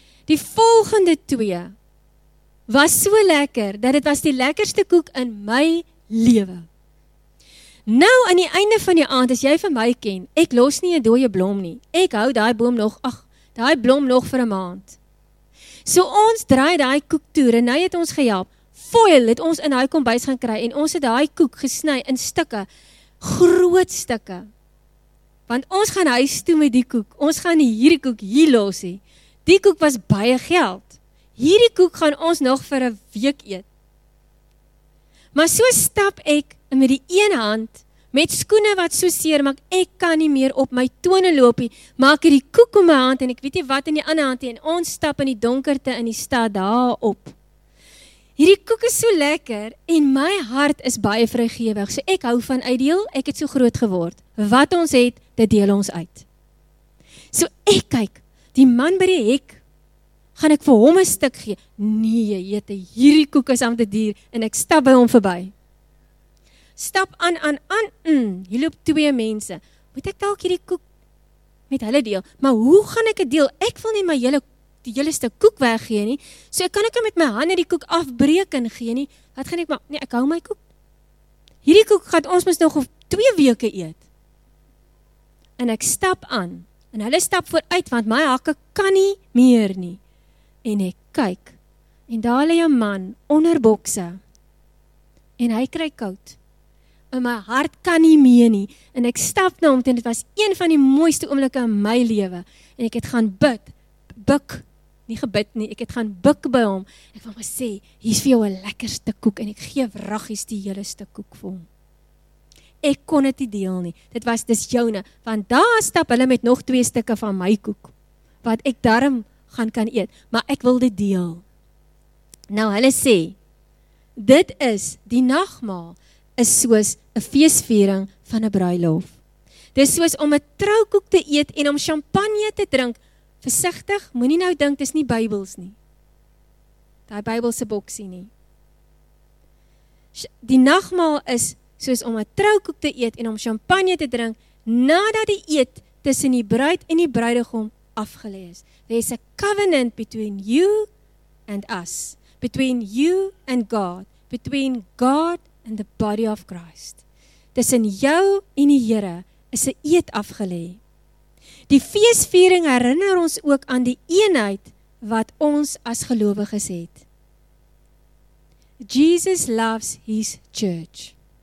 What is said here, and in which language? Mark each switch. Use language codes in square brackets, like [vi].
[af] Die volgende 2 was so lekker, dat dit was die lekkerste koek in my lewe. Nou, aan die einde van die aand, as jy vir my ken, ek los nie 'n dooie blom nie. Ek hou daai boom nog, daai blom nog vir 'n maand. So ons draai daai koek toe, en nou het ons gehelp. Foil het ons in daai kombuis gaan kry en ons het daai koek gesny in stukke, groot stukke. Want ons gaan huis toe met die koek. Ons gaan hierdie koek hier los hê. Die koek was baie geld. Hierdie koek gaan ons nog vir 'n week eet. Maar so stap ek met die een hand, met skoene wat so seer maak, ek kan nie meer op my tone loop nie, maak ek die koek in my hand en ek weet nie wat in die ander hand nie, en ons stap in die donkerte in die stad daar op. Hierdie koek is so lekker en my hart is baie vrygewig, so ek hou van uitdeel, ek het so groot geword. Wat ons het, dit deel ons uit. So ek kyk, die man by die hek, gaan ek vir hom 'n stuk gee? Nee, jete, hierdie koek is aan te duur en ek stap by hom verby. Stap aan, hier loop 2 mense. Moet ek dalk hierdie koek met hulle deel? Maar hoe gaan ek het deel? Ek wil nie my hele stuk koek weggee nie. So kan ek met my hande die koek afbreek en gee nie. Wat gaan ek maak? Nee, ek hou my koek. Hierdie koek gaan ons mis nog 2 weke eet. En ek stap aan. En hulle stap vooruit, want my hakke kan nie meer nie. En ek kyk. En daar lê 'n man onder bokse. En hy kry koud. En my hart kan nie meer nie. En ek stap na hom toe en dit was een van die mooiste oomblikke in my lewe. En ek het gaan bid. Buk. Nie gebid nie. Ek het gaan buk by hom. Ek wou maar sê, hier's vir jou 'n lekker stuk koek. En ek gee raggies die hele stuk koek vir hom. Ek kon dit nie deel nie. Dit was dis joune. Want daar stap hulle met nog 2 stukke van my koek. Wat ek daarom gaan kan eet. Maar ek wil dit deel. Nou hulle sê, dit is die nagmaal. Is soos 'n feesviering van 'n bruilof. Dis soos om 'n troukoek te eet en om champagne te drink. Versigtig, moenie nou dink dis nie Bybels nie. Daai Bybelse boksie nie. Die nagmaal is soos om 'n troukoek te eet en om champagne te drink nadat die eet tussen die bruid en die bruidegom afgelê is. [en] There's a covenant between you and us, between you and God, between God in the body of Christ. [af] Tussen jou en die Here is 'n eed afgelê. Die feesviering herinner ons ook aan die eenheid wat ons as gelowiges het. [en] Jesus loves his church.